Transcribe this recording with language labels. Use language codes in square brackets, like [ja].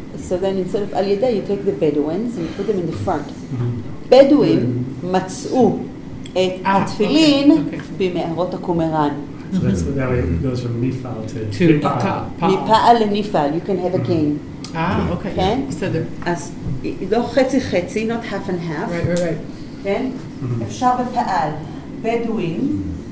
[en] Or, so then instead of al yada, you take the Bedouins and you put them in the front. [he] Bedouin מצאו את התפילין במערות הקומראן. [en] So that way it goes from Nifal to Nipa'al. Nipa'al and Nifal, you can have a king. Okay. So there. As, חצי, not half and half. Right. Then, [he] אפשר בפעל, [en] Bedouin,